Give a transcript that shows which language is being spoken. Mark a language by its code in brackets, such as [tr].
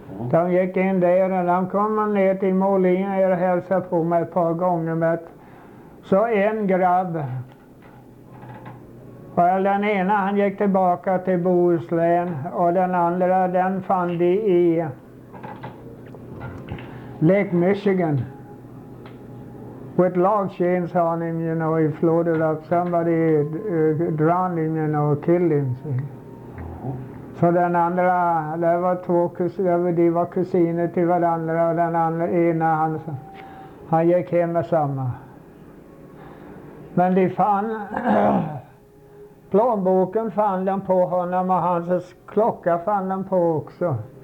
[sv] De gick in där och de kom ner till Molin och hälsade på mig ett par gånger med. Så en grabb. Well, den ena han gick tillbaka till Bohuslän och den andra den fann de i Lake Michigan. [en] With log chains on him, you know, he floated up. Somebody drowned him, you know, killed him. [sv] Så so den andra, det var två kusiner, de var kusiner till varandra och den andra ena han gick hem med samma. Men de fann... Plånboken fann den på honom och hans klocka fann den på också.